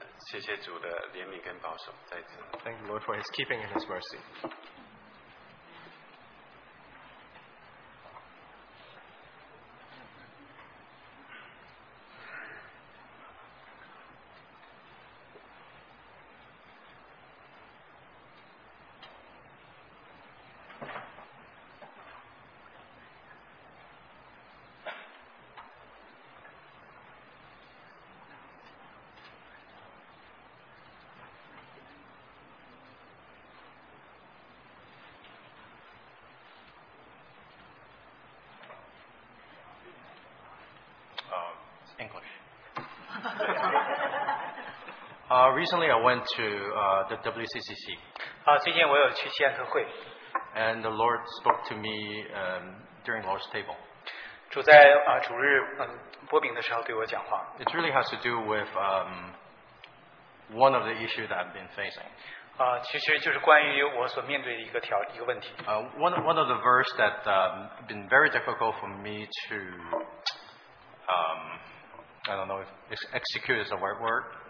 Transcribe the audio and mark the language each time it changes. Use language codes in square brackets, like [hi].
[zh] 谢谢主的怜悯跟保守，再次。 [en] Thank the Lord for His keeping and His mercy. Recently, I went to the WCCC. [zh] 最近我有去西安科会。 [en] And the Lord spoke to me during Lord's table. [zh] 主在主日拨饼的时候对我讲话。 [en] It really has to do with one of the issues that I've been facing. [zh] 其实就是关于我所面对的一个问题。 [en] One of the verse that been very difficult for me to I don't know if execute is the right word.